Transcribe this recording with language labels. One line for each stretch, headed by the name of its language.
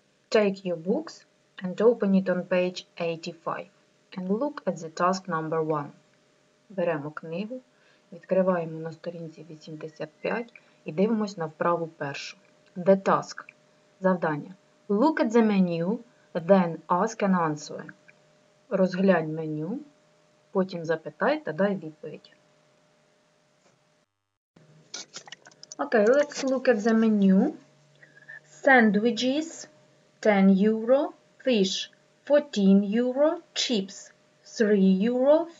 English: Take your books and open it on page 85 and look at the task number 1.
Ukrainian: Беремо книгу, відкриваємо на сторінці 85 і дивимось на вправу першу.
English: The task.
Ukrainian: Завдання.
English: Look at the menu, then ask and answer.
Ukrainian: Розглянь меню, потім запитай та дай відповідь.
English: Okay, let's look at the menu. Sandwiches, 10 euro. Fish, 14 euro. Chips, 3 euro.